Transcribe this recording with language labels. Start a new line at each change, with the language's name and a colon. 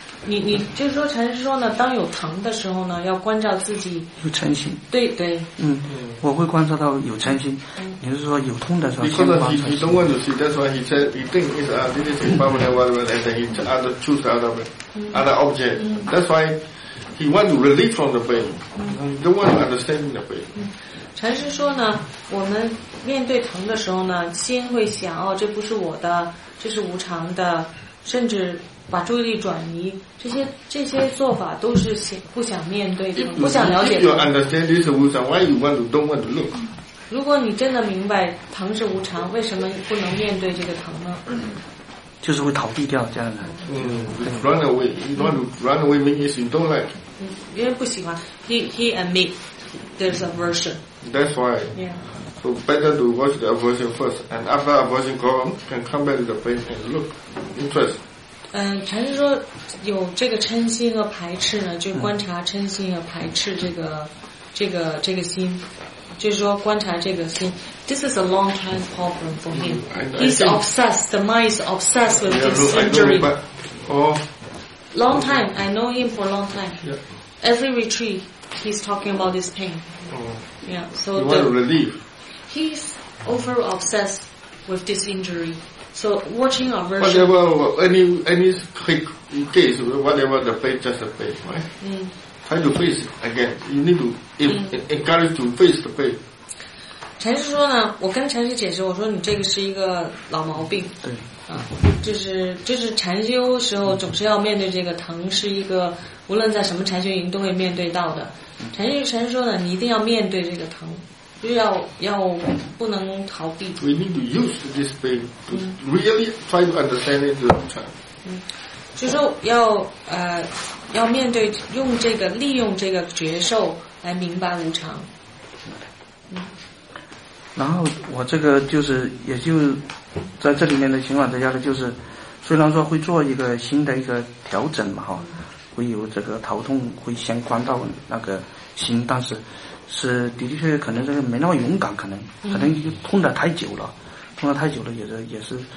Chinese: 你就说禅师说呢，当有疼的时候呢，要关照自己。有嗔心。对对。嗯，我会观察到有嗔心。你是说有痛的时候？你说的你都问住去
English: ，That's why he said he thinks is anything permanent, and then he other choose other object. That's why he want to relieve from the pain. Don't want to understand the pain.
Chinese: 禅师说呢，我们面对疼的时候呢，心会想，哦，这不是我的，这是无常的，甚至把注意力转移，这些做法都是不想面对的，不想了解的。
English: If you understand this is 无常, why you want to, don't want to look?
Chinese: 如果你真的明白疼是无常，为什么不能面对这个疼呢？就是会逃避掉这样的。
English: Run away means you don't like.
Chinese: 因为不喜欢。
English: He admit there's aversion. That's why. Yeah. So better to watch the aversion first, and after aversion gone, can come back to the pain and look interest. 禅师说有这个嗔心和排斥呢，就观察嗔心和排斥这个心，就是说观察这个心。 This is a long time problem for him. He's obsessed. The mind is obsessed with this injury. Long time. I know him for a long time. Yeah. Every retreat, he's talking about this pain. Yeah, so you want to relieve. He's over obsessed with this injury. So watching our version. Whatever, any quick case, whatever the pain, just the pain, right? Try to face it again. You need to encourage to face the pain.
Chinese: 禅师说呢，我跟禅师解释，我说你这个是一个老毛病。对。就是禅修时候总是要面对这个疼，是一个无论在什么禅修营都会面对到的。禅师说呢，你一定要面对这个疼，就要不能逃避。
English: We need to use this pain to really try to understand it.
Chinese: 就是要要面对，用这个利用这个觉受来明白无常。然后我这个就是也就在这里面的情况之下呢，就是虽然说会做一个新的一个调整嘛，哈，会有这个头痛会先关到那个心，但是是的的确确可能这个没那么勇敢，可能就痛得太久了，痛得太久了也是。